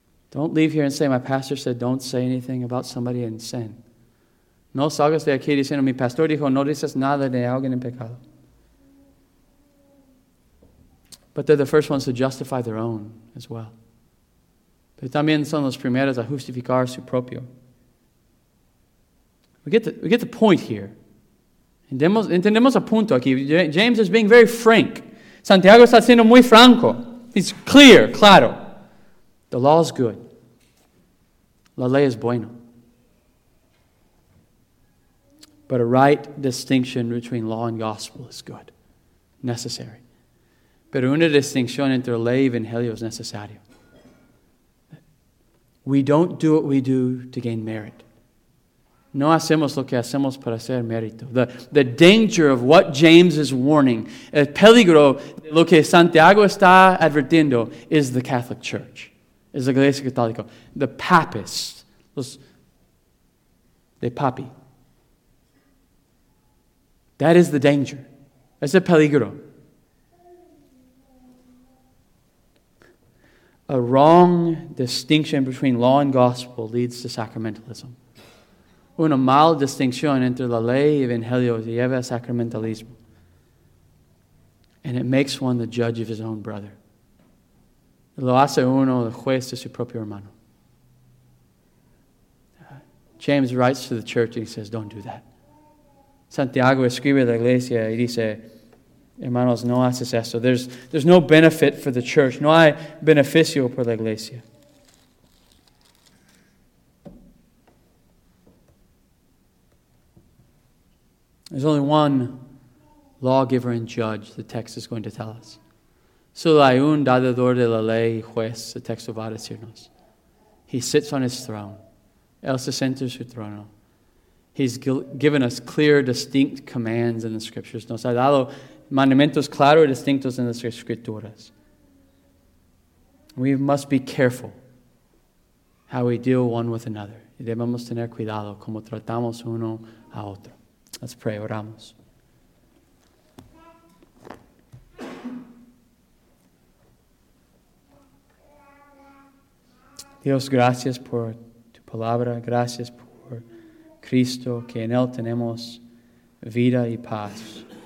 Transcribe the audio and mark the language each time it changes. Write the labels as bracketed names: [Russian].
[English] Don't leave here and say, my pastor said, don't say anything about somebody in sin. [Spanish] No salgas de aquí diciendo, mi pastor dijo, no dices nada de alguien en pecado. [English] But they're the first ones to justify their own as well. [Spanish] Pero también son los primeros a justificar su propio. [English] We get the point here. [Spanish] Entendemos el punto aquí. [English] James is being very frank. [Spanish] Santiago está siendo muy franco. [English] He's clear, claro. The law is good. [Spanish] La ley es buena. [English] But a right distinction between law and gospel is good. Necessary. [Spanish] Pero una distinción entre ley y evangelio es necesario. [English] We don't do what we do to gain merit. [Spanish] No hacemos lo que hacemos para hacer mérito. [English] The danger of what James is warning, [Spanish] el peligro de lo que Santiago está advirtiendo, [English] is the Catholic Church, is [Spanish] la Iglesia Católica, [English] the papists, [Spanish] los de papi. [English] That is the danger. [Spanish] Es el peligro. [English] A wrong distinction between law and gospel leads to sacramentalism. [Spanish] Una mala distinción entre la ley y el evangelio lleva a sacramentalismo. [English] And it makes one the judge of his own brother. [Spanish] Lo hace uno el juez de su propio hermano. [English] James writes to the church and he says, don't do that. [Spanish] Santiago escribe a la iglesia y dice, hermanos, no haces eso. [English] There's no benefit for the church. [Spanish] No hay beneficio por la iglesia. [English] There's only one lawgiver and judge, the text is going to tell us. [Spanish] Solo hay un dador de la ley y juez, el texto va a decirnos. [English] He sits on his throne. [Spanish] Él se sienta en su trono. [English] He's given us clear, distinct commands in the scriptures. [Spanish] Nos ha dado mandamientos claros y distintos en las escrituras. [English] We must be careful how we deal one with another. [Spanish] Y debemos tener cuidado como tratamos uno a otro. [English] Let's pray, [Spanish] oramos. Dios, gracias por tu palabra, gracias por Cristo, que en Él tenemos vida y paz.